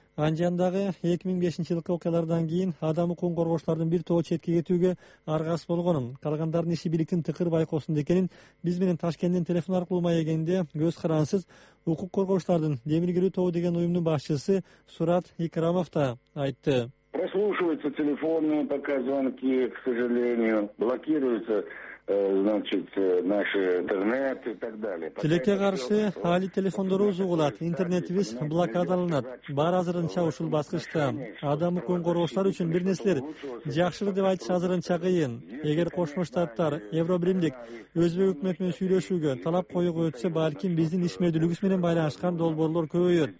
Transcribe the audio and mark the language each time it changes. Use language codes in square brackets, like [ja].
[ky] Анжиандагы 2005 жылкы окуялардан кийин адам укугун коргоочулардын бир тобу четке кетүүгө аргас болгонун, калгандардын иши бийликтин тыкыр байкоосунда экенин биз менен Ташкенттен телефон аркылуу маегинде көз карансыз укук коргоочулардын демир кирүү тобу деген уюмдун башчысы Сурат Икрамов да айтты. [ru] Прослушиваются телефонные пока звонки, к сожалению, блокируются значит, наш интернет и так далее. [ky] Тилекке каршы али телефондору узугулат, интернетибиз блокадаланат. Бар азырынча ушул баскычта адамды коргоочулар үчүн бир нерселер жакшыры деп айтыш азырынча кыйын. Эгер Кошмо Штаттар Евробиримдик өзбек өкмөт менен сүйлөшүүгө талап коюуга өтсө, балким биздин ишмердүүлүгүбүз менен байланышкан долбоорлор көбөйөт.